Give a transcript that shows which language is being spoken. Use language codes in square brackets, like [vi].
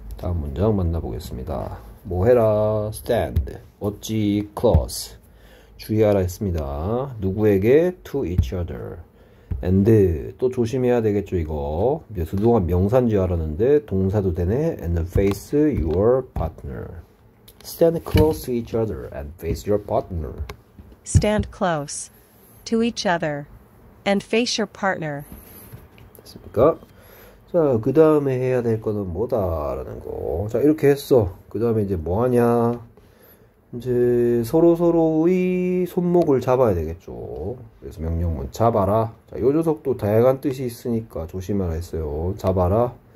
[ko] 다음 문장 만나보겠습니다. 뭐 해라, stand. 어찌, close. 주의하라 했습니다. 누구에게? [en] To each other. [ko] And 또 조심해야 되겠죠, 이거. 그동안 명사인 줄 알았는데 동사도 되네. [en] And face your partner. Stand close to each other and face your partner. Stand close to each other and face your partner. [ko] 됐습니까? 자, 그 다음에 해야 될 거는 뭐다라는 거. 자, 이렇게 했어. 그 다음에 이제 뭐 하냐? 이제 서로서로의 손목을 잡아야 되겠죠. 그래서 명령문 잡아라. 자, 요 녀석도 다양한 뜻이 있으니까 조심하라 했어요. 잡아라.